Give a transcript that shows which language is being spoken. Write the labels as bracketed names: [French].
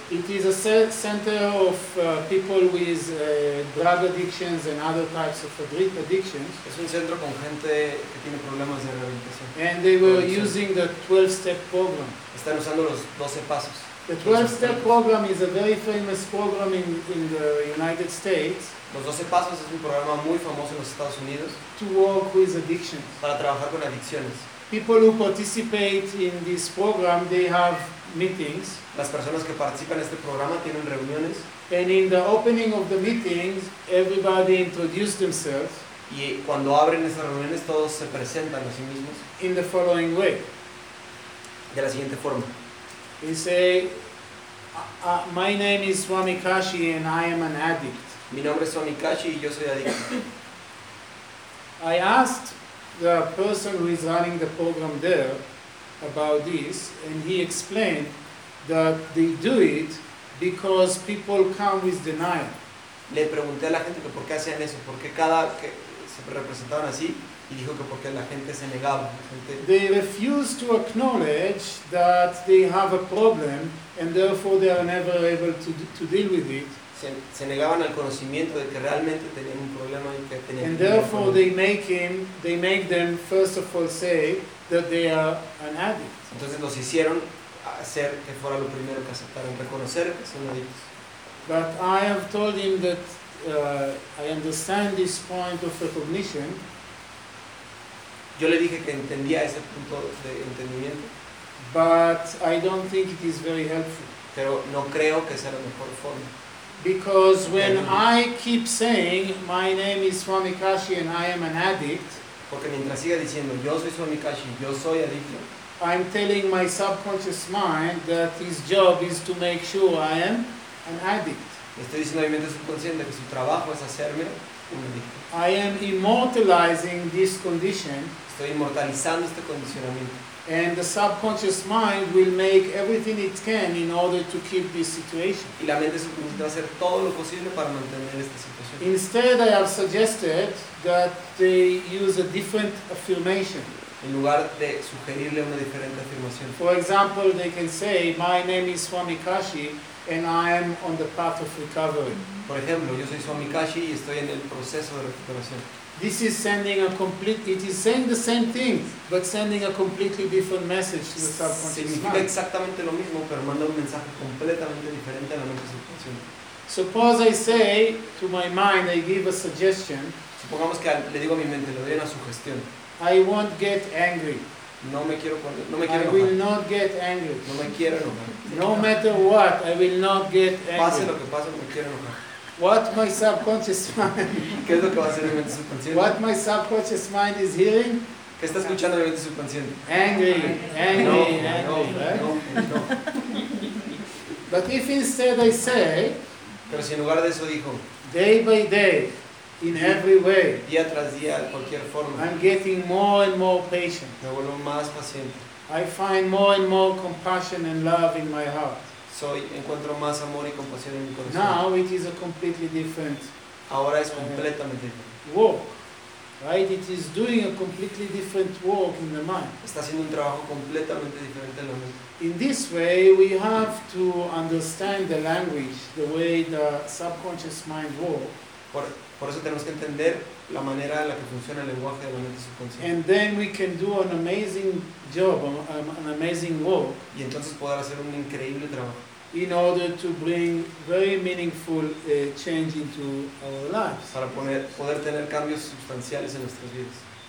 [English] It is a center of people with drug addictions and other types of addictions. [Spanish] Es un centro con gente que tiene problemas de rehabilitación. [English] And they were using the 12-step program. [Spanish] Están usando los 12 pasos. [English] The 12-step program is a very famous program in the United States. [Spanish] Los 12 pasos es un programa muy famoso en los Estados Unidos. [English] To work with addictions. [Spanish] Para trabajar con adicciones. [English] People who participate in this program, they have meetings. [Spanish] Las personas que participan en este programa tienen reuniones. [English] And in the opening of the meetings, everybody introduces themselves. [Spanish] Y cuando abren esas reuniones, todos se presentan a sí mismos. [English] In the following way. [Spanish] De la siguiente forma. [English] They say, my name is Swami Kashi and I am an addict. [Spanish] Mi nombre es Swami Kashi y yo soy adicto. [English] I asked the person who is running the program there about this, and he explained that they do it because people come with denial. [Spanish] Le pregunté a la gente que por qué hacían eso, por qué cada que se representaban así, y dijo que porque la gente se negaba. [English] They refuse to acknowledge that they have a problem, and therefore they are never able to deal with it. [Spanish] Se negaban al conocimiento de que realmente tenían un problema y que tenían. [English] And therefore they make them first of all say that they are an addict. [Spanish] Entonces los hicieron hacer que fuera lo primero que aceptaran, reconocer que son adictos. [English] But I have told him that I understand this point of recognition. [Spanish] Yo le dije que entendía ese punto de entendimiento. [English] But I don't think it is very helpful. [Spanish] Pero no creo que sea la mejor forma. [English] Because when I keep saying my name is Swami Kashi and I am an addict, [Spanish] porque mientras siga diciendo yo soy Swami Kashi, yo soy adicto, [English] I'm telling my subconscious mind that his job is to make sure I am an addict. [Spanish] Estoy diciendo a mi mente subconsciente que su trabajo es hacerme un adicto. [English] I am immortalizing this condition. [Spanish] Estoy inmortalizando este condicionamiento. [English] And the subconscious mind will make everything it can in order to keep this situation. [Spanish] Y la mente subconsciente va a hacer todo lo posible para mantener esta situación. [English] Instead, I have suggested that they use a different affirmation. [Spanish] En lugar de sugerirle una diferente afirmación. [English] For example, they can say, "My name is Swami Kashi, and I am on the path of recovery." [Spanish] Por ejemplo, yo soy Swami Kashi y estoy en el proceso de recuperación. [English] This is sending a complete. It is saying the same thing, but sending a completely different message to the subconscious mind. [Spanish] Significa exactamente lo mismo, pero manda un mensaje completamente diferente a la mente subconsciente. [English] Suppose I say to my mind, I give a suggestion. [Spanish] Supongamos que le digo a mi mente, le doy una sugestión. [English] I won't get angry. [Spanish] No me quiero enojar. [English] I will not get angry. [Spanish] No me quiero enojar. [English] No matter what, I will not get angry. [Spanish] Pase lo que pase, no me quiero enojar. [English] What my subconscious mind? [Spanish] ¿Qué es lo que va a hacer mi mente subconsciente? [English] What my subconscious mind is hearing? [Spanish] ¿Qué está escuchando mi mente subconsciente? [English] Angry. [Spanish] No. [English] But if instead I say, [Spanish] pero si en lugar de eso dijo, [English] day by day, in every way, [Spanish] día tras día, de cualquier forma, [English] I'm getting more and more patient. [Spanish] Me vuelvo más paciente. [English] I find more and more compassion and love in my heart. [Spanish] Soy, encuentro más amor y compasión en mi corazón. [English] Now it is a completely different. [Spanish] Ahora es completamente diferente. [English] Work, right? It is doing a completely different work in the mind. [Spanish] Está haciendo un trabajo completamente diferente en la mente. [English] In this way, we have to understand the language, the way the subconscious mind works. [Spanish] Por eso tenemos que entender la manera en la que funciona el lenguaje de la mente subconsciente. [English] And then we can do an amazing job, an amazing work. [Spanish] Y entonces poder hacer un increíble trabajo. [English] In order to bring very meaningful change into our lives. [Spanish] Para poder tener cambios sustanciales en nuestras vidas.